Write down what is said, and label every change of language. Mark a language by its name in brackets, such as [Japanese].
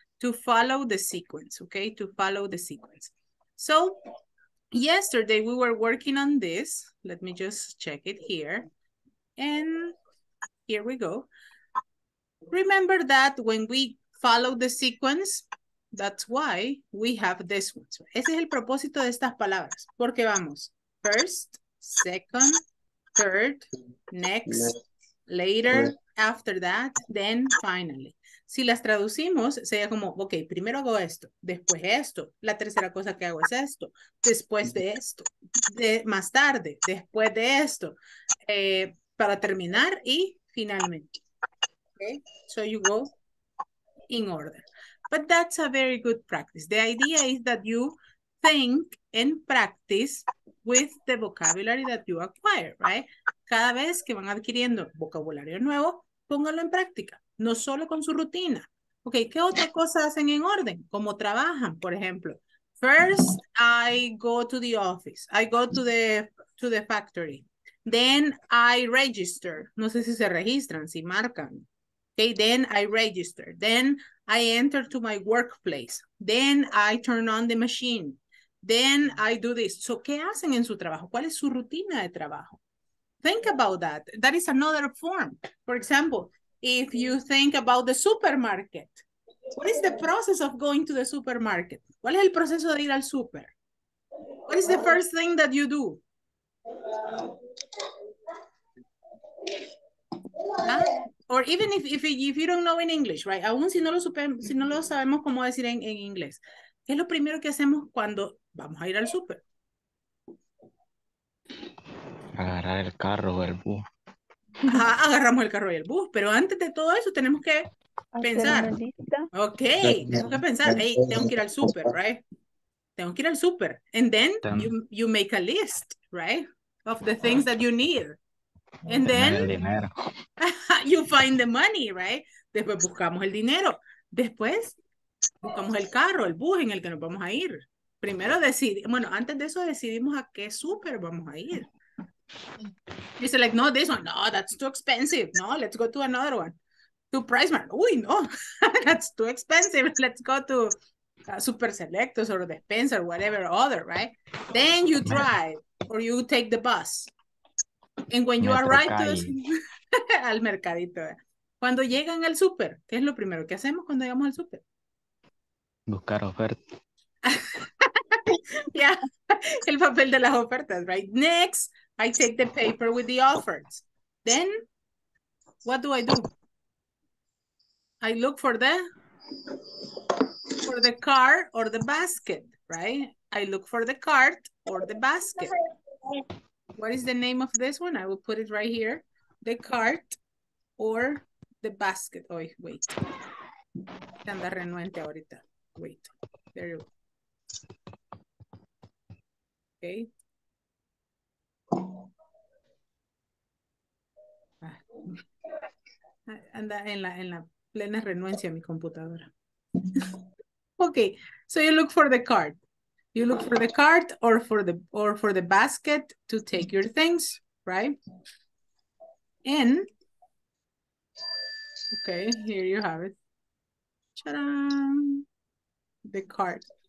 [English] To follow the sequence, okay? To follow the sequence. So yesterday we were working on this. Let me just check it here. And here we go. Remember that when we follow the sequence, that's why we have this one. [Spanish] So, ese es el propósito de estas palabras. Porque vamos, [English] first, second, third, next, later, after that, then finally. [Spanish] Si las traducimos, sería como, ok, primero hago esto, después esto, la tercera cosa que hago es esto, después de esto, más tarde, después de esto, para terminar y finalmente. [English] Okay, so you go in order. But that's a very good practice. The idea is that you think and practice with the vocabulary that you acquire, right? [Spanish] Cada vez que van adquiriendo vocabulario nuevo, póngalo en práctica, no solo con su rutina. Okay, ¿qué otra cosa hacen en orden? ¿Cómo trabajan? Por ejemplo, [English] first I go to the office. I go to the factory. Then I register. [Spanish] No sé si se registran, si marcan. [English] Okay, then I register. Then I enter to my workplace. Then I turn on the machine. Then I do this. So, [Spanish] ¿qué hacen en su trabajo? ¿Cuál es su rutina de trabajo? [English] Think about that. That is another form. For example, if you think about the supermarket, what is the process of going to the supermarket? [Spanish] ¿Cuál es el proceso de ir al super? [English] What is the first thing that you do? Huh? Or even if you don't know in English, right? [Spanish] Aún si no lo supe, si no lo sabemos cómo decir en inglés. ¿Qué es lo primero que hacemos cuando vamos a ir al súper? Agarrar el carro o el bus. Ajá, agarramos el carro y el bus, pero antes de todo eso tenemos que pensar. Ok, tengo que pensar. Hey, tengo que ir al súper, right? Tengo que ir al súper. [English] And then you make a list, right? Of the things that you need. And then you find the money, right? [Spanish] Después buscamos el dinero. Después buscamos el carro, el bus en el que nos vamos a ir. Primero decidimos, bueno, antes de eso decidimos a qué súper vamos a ir. [English] You say like, no, this one, no, that's too expensive. No, let's go to another one. To Pricemart. Uy, no, that's too expensive. Let's go to Super Selectos or Despensa or whatever other, right? Then you drive or you take the bus. And when you arrive to [Spanish] al mercadito. Cuando llegan al super, ¿qué es lo primero que hacemos cuando llegamos al super? Buscar oferta. Yeah, el papel de las ofertas, right? [English] Next, I take the paper with the offers. Then, what do I do? I look for the cart or the basket, right? I look for the cart or the basket. What is the name of this one? I will put it right here. The cart or the basket. Oh, wait. [Spanish] Anda renuente ahorita. [English] Wait. There you go. Okay. [Spanish] Anda en la plena renuencia a mi computadora. [English] Okay. So you look for the cart. You look for the cart or for the basket to take your things, right? And okay, here you have it. Ta-da! The cart.